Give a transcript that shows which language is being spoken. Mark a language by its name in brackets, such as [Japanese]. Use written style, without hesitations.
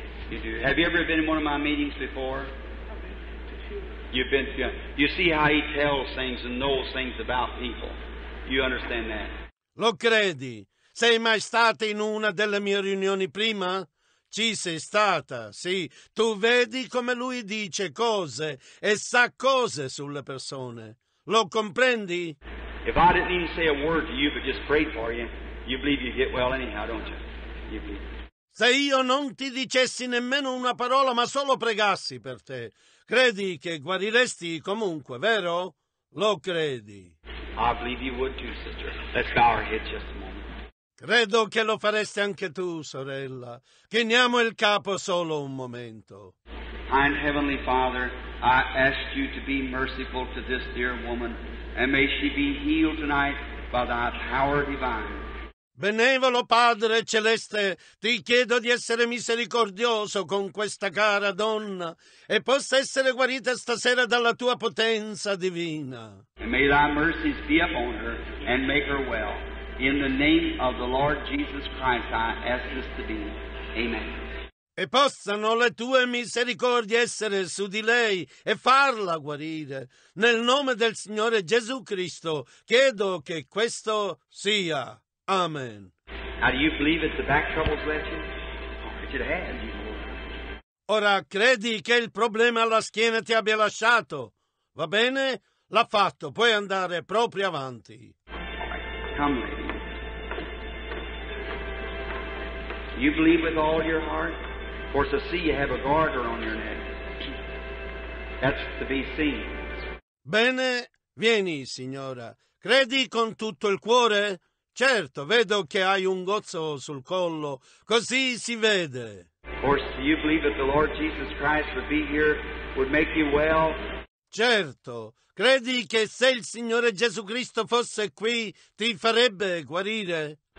[English] You do. Have you ever been in one of my meetings before? You've been to. You see how he tells things and knows things about people. You understand that? [Italian] Lo credi? Sei mai stata in una delle mie riunioni prima? Ci sei stata, sì. Tu vedi come lui dice cose e sa cose sulle persone. Lo comprendi? [English] If I didn't even say a word to you but just prayed for you, you believe you get well anyhow, don't you? You believe. [Italian] Se io non ti dicessi nemmeno una parola, ma solo pregassi per te, credi che guariresti comunque, vero? Lo credi? [English] I believe you would too, sister. Let's bow our heads just a moment. [Italian] Credo che lo faresti anche tu, sorella. Chiniamo il capo solo un momento. [English] Kind Heavenly Father, I ask you to be merciful to this dear woman, and may she be healed tonight by thy power divine. [Italian] Benevolo Padre Celeste, ti chiedo di essere misericordioso con questa cara donna e possa essere guarita stasera dalla tua potenza divina. [English] And may thy mercies be upon her and make her well. In the name of the Lord Jesus Christ I ask this to be. Amen. [Italian] E possano le tue misericordie essere su di lei e farla guarire. Nel nome del Signore Gesù Cristo chiedo che questo sia. Amen. [English] Now, do you believe that the back troubles left you? Or did it have you? [Italian] Ora, credi che il problema alla schiena ti abbia lasciato? Va bene? L'ha fatto. Puoi andare proprio avanti. [English] Come, lady. You believe with all your heart? Of course, I see you have a garter on your neck. That's to be seen. [Italian] Bene, vieni, signora. Credi con tutto il cuore? Certo, vedo che hai un gozzo sul collo, così si vede. [English] Of course, do you believe that the Lord Jesus Christ would be here, would make you well? [Italian] Certo, credi che se il Signore Gesù Cristo fosse qui, ti farebbe guarire?